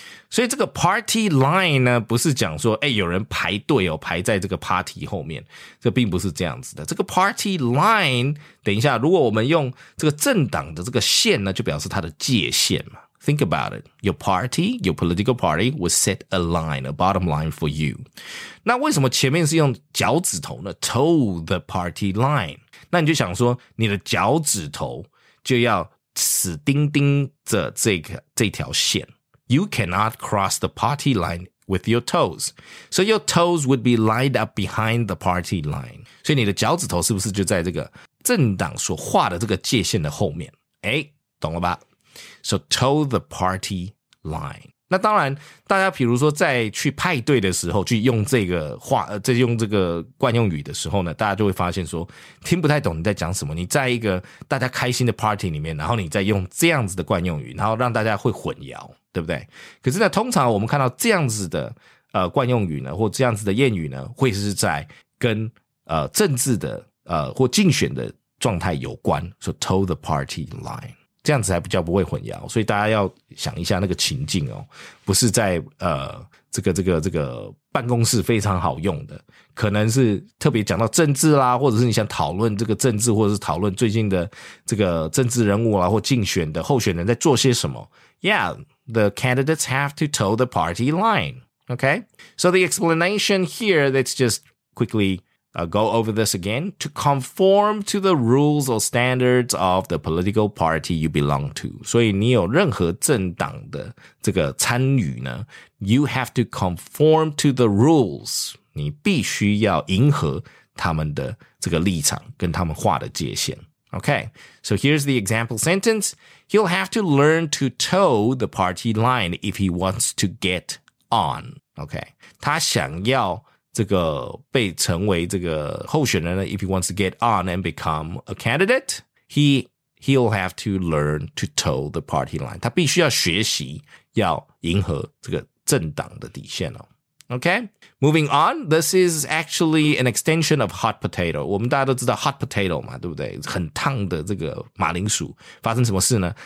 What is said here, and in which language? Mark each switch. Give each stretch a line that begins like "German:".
Chinese: 所以这个 party line 呢，不是讲说，哎，有人排队哦，排在这个 party 后面，这并不是这样子的。这个 party line， 等一下，如果我们用这个政党的这个线呢，就表示它的界限嘛。
English: Think about it. Your party, your political party will set a line, a bottom line for you.
Chinese: 那为什么前面是用脚趾头呢 ？Toe the party line。那你就想说，你的脚趾头就要死钉钉着这条线。
English: You cannot cross the party line with your toes. So your toes would be lined up behind the party line.
Chinese: 所以你的脚趾头是不是就在这个政党所画的这个界线的后面？哎，懂了吧？
English: So toe the party line.
Chinese: 那当然，大家比如说在去派对的时候，去用这个话，在用这个惯用语的时候呢，大家就会发现说，听不太懂你在讲什么。你在一个大家开心的 party 里面，然后你再用这样子的惯用语，然后让大家会混淆。对不对？可是呢，通常我们看到这样子的惯用语呢，或这样子的谚语呢，会是在跟政治的或竞选的状态有关，说 toe the party line， 这样子还比较不会混淆。所以大家要想一下那个情境哦，不是在这个办公室非常好用的，可能是特别讲到政治啦，或者是你想讨论这个政治，或者是讨论最近的这个政治人物啦，或竞选的候选人在做些什么 ，Yeah。
English: The candidates have to toe the party line. Okay? So the explanation here, let's just quickly go over this again. To conform to the rules or standards of the political party you belong to.
Chinese: 所以你有任何政党的这个参与呢,
English: you have to conform to the rules.
Chinese: 你必须要迎合他们的这个立场跟他们画的界限。
English: Okay, so here's the example sentence. He'll have to learn to toe the party line if he wants to get on. Okay,
Chinese: 他想要这个被成为这个候选人呢
English: if he wants to get on and become a candidate, he'll have to learn to toe the party line.
Chinese: 他必须要学习要迎合这个政党的底线哦。
English: Okay, moving on. This is actually an extension of hot potato.
Chinese: 我们大家都知道 hot potato 嘛，对不对？很烫的这个马铃薯，发生什么事呢？